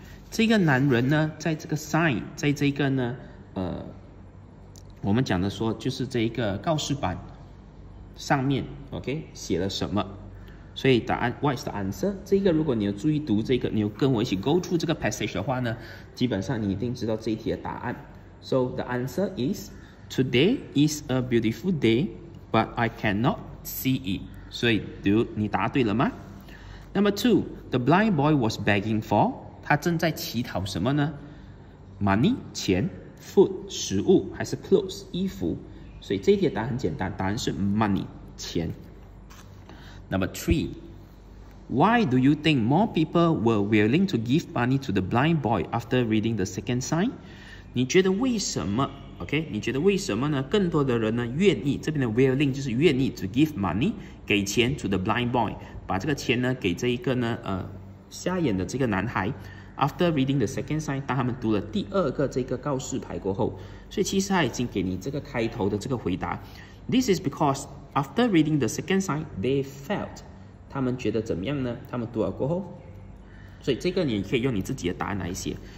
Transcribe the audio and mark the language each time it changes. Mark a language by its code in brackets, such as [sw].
[zh] 这个男人呢，在这个 sign， 在这个呢，我们讲的说就是这一个告示板上面 ，Okay， 写了什么？所以答案 ， [en] What is the answer? [zh] 这个如果你有注意读这个，你有跟我一起 [en] go through [zh] 这个 passage 的话呢？基本上你一定知道这一题的答案。 [en] So the answer is today is a beautiful day, but I cannot see it. [zh] 所以你答对了吗 ？ [en] Number two, the blind boy was begging for. [zh] 他正在乞讨什么呢 ？Money 钱 ，food 食物，还是 clothes 衣服？所以这一题的答案很简单，答案是 money 钱。 [en] Number three. Why do you think more people were willing to give money to the blind boy after reading the second sign? [zh] 你觉得为什么 ？OK， 你觉得为什么呢？更多的人呢愿意，这边的 willing 就是愿意 [en] to give money [zh] 给钱 [en] to the blind boy， [zh] 把这个钱呢给这一个呢瞎眼的这个男孩。 [en] After reading the second sign， [zh] 当他们读了第二个这个告示牌过后，所以其实他已经给你这个开头的这个回答。 [en] This is because after reading the second sign， they felt. [zh] 他们觉得怎么样呢？他们读了过后，所以这个你可以用你自己的答案来写。